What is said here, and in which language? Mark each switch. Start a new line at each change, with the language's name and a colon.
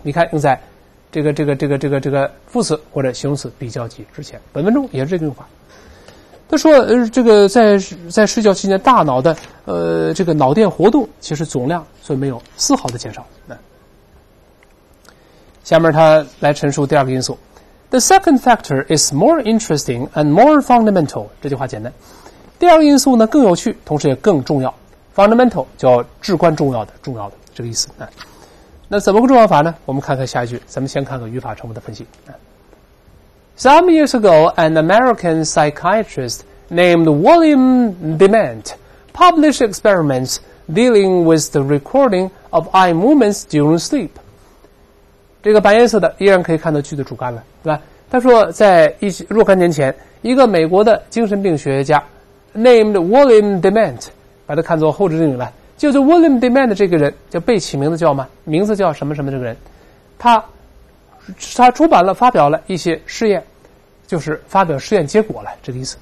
Chinese: 你看用在这个副词或者形容词比较级之前。本文中也是这句话。他说这个在睡觉期间大脑的这个脑电活动其实总量所以没有丝毫的减少。下面他来陈述第二个因素。
English: The second factor is more interesting and more fundamental.
Chinese: 这句话简单。第二个因素呢更有趣，同时也更重要。Fundamental 叫至关重要的，重要的这个意思。那怎么个重要法呢？我们看看下一句。咱们先看看语法成分的分析。
English: Some years ago, an American psychiatrist named William Dement published experiments dealing with the recording of eye movements during sleep.
Chinese: 这个白颜色的依然可以看到句的主干了，对吧？他说在若干年前，一个美国的精神病学家
English: named William Dement，
Chinese: 把他看作后置定语了，就是 William Dement 这个人叫被起名字叫吗？名字叫什么什么这个人，他出版了发表了一些试验，就是发表试验结果了，这个意思。